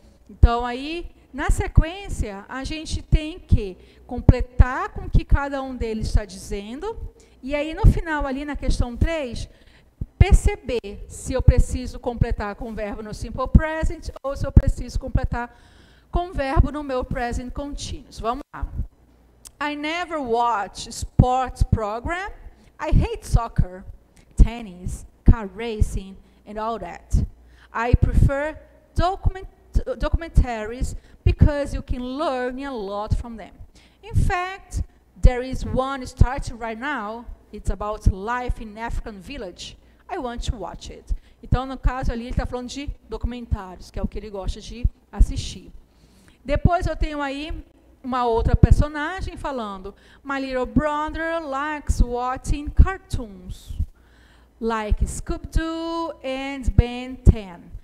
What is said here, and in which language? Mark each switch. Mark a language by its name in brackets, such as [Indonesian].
[Portuguese] Então, aí, na sequência, a gente tem que completar com o que cada um deles está dizendo. E aí, no final, ali na questão 3, perceber se eu preciso completar com o verbo no simple present ou se eu preciso completar com o verbo no meu present continuous. [English] Vamos lá. I never watch sports program. I hate soccer, tennis, car racing, and all that. I prefer documentaries because you can learn a lot from them. In fact, there is one starting right now. It's about life in African village. I want to watch it. [Portuguese] Então, no caso ali, ele está falando de documentários, que é o que ele gosta de assistir. [English] Depois eu tenho aí uma outra personagem falando: My little brother likes watching cartoons like Scooby-Doo and Ben 10.